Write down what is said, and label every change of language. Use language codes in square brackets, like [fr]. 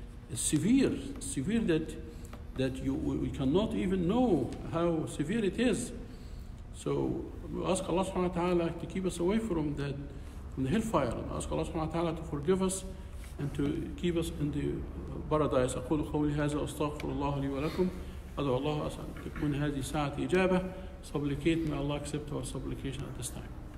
[en] It's severe that we cannot even know how severe it is. So we ask Allah subhanahu wa ta'ala to keep us away from the hellfire, and ask Allah subhanahu wa ta'ala to forgive us and to keep us in the paradise. [ar] أقول قولي هذا أستغفر الله لي ولكم. أدعو الله أن تكون هذه ساعة إجابة. [en] Supplicate, may Allah accept our supplication at this time.